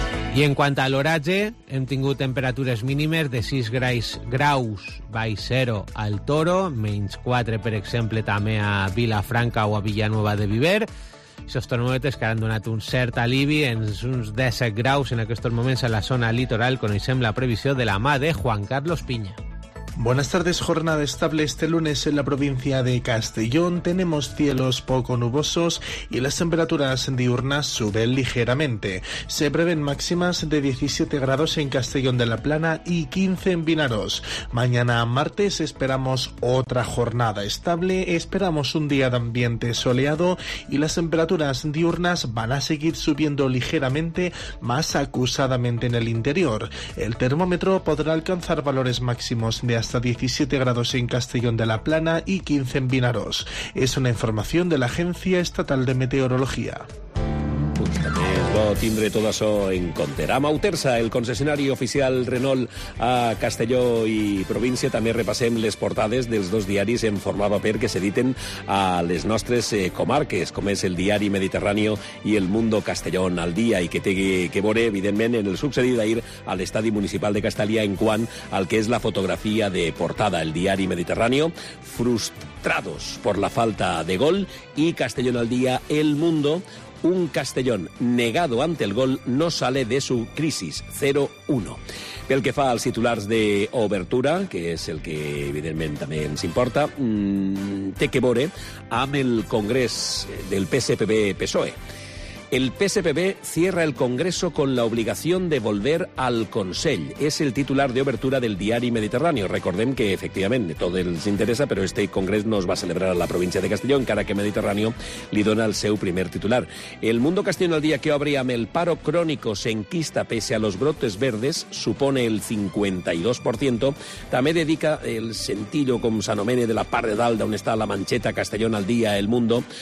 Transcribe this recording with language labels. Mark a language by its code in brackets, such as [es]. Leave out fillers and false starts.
[ca] I en quant a l'horatge, hem tingut temperatures mínimes de 6 graus baix 0 al Toro, menys 4, per exemple, també a Vilafranca o a Villanueva de Viver. Aquests termòmetres que han donat un cert alivi en uns 17 graus en aquests moments a la zona litoral. Coneixem la previsió de la mà de Juan Carlos Piña. [es] Buenas tardes, jornada estable este lunes en la provincia de Castellón. Tenemos cielos poco nubosos y las temperaturas diurnas suben ligeramente. Se prevén máximas de 17 grados en Castellón de la Plana y 15 en Vinaroz. Mañana martes esperamos otra jornada estable, esperamos un día de ambiente soleado y las temperaturas diurnas van a seguir subiendo ligeramente, más acusadamente en el interior. El termómetro podrá alcanzar valores máximos de hasta 17 grados en Castellón de la Plana y 15 en Vinaroz. Es una información de la Agencia Estatal de Meteorología. [ca] Bo tindre tot això en compte. A Mauterça, el concessionari oficial Renault a Castelló i província, també repassem les portades dels dos diaris en format paper que s'editen a les nostres comarques, com és el diari Mediterrani i el Mundo Castellón al dia, i que té que veure, evidentment, en el succedit ahir a l'estadi municipal de Castalia en quant al que és la fotografia de portada. [es] El diari Mediterrani, frustrados por la falta de gol, i Castellón al dia, el Mundo, un Castellón negado ante el gol no sale de su crisis, 0-1. [ca] Pel que fa als titulars d'obertura, que és el que evidentment també ens importa, té que veure amb el congrés del PSPB-PSOE. [es] El PSPB cierra el Congreso con la obligación de volver al Consell. [ca] És el titular d'obertura del diari Mediterrani. Recordem que, efectivament, tot els interessa, però este congrés no es va celebrar a la província de Castelló, encara que Mediterrani li dona el seu primer titular. El Mundo Castellón al dia que obre amb [es] el paro crónico se enquista pese a los brotes verdes, supone el 52%, [ca] també dedica el sentillo, com s'anomene, de la part de dalt on està la manxeta Castellón al dia, el Mundo.